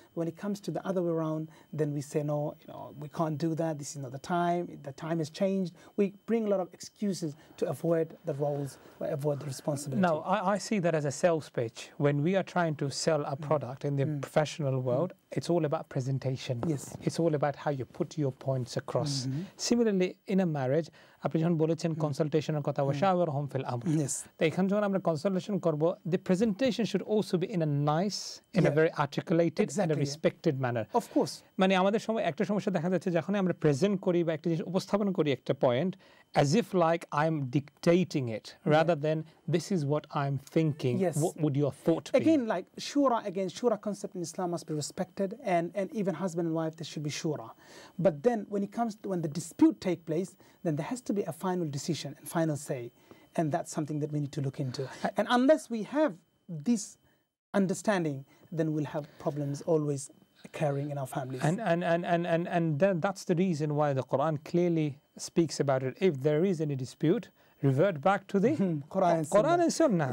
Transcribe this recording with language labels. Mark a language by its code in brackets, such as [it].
[en] When it comes to the other way around, then we say, no, you know, we can't do that. This is not the time. The time has changed. We bring a lot of excuses to avoid the roles or avoid the responsibility. Now, I see that as a sales pitch. When we are trying to sell a product in the professional world, it's all about presentation. Yes. It's all about how you put your points across. Similarly, in a marriage, [bn] আপনি যখন বলেছেন কনসালটেশনের কথা ওয়াশাওয়ার home feel আমর তো এখানে যখন আমরা consultation করব [en] the presentation should also be in a nice in a very articulated and a respected manner of course [bn] মানে আমাদের সময় একটা সমস্যা দেখা যাচ্ছে যখন আমরা প্রেজেন্ট করি বা একটা জিনিস উপস্থাপন করি একটা point [en] As if like I am dictating it rather than this is what I am thinking what would your thought be again like শুরা again শুরা concept in Islam must be respected and even husband and wife they should be শুরা but then when it comes to when the dispute take place then that to be a final decision and final say, and that's something that we need to look into. And unless we have this understanding, then we'll have problems always occurring in our families. And that's the reason why the Quran clearly speaks about it. If there is any dispute, revert back to the Quran and Sunnah.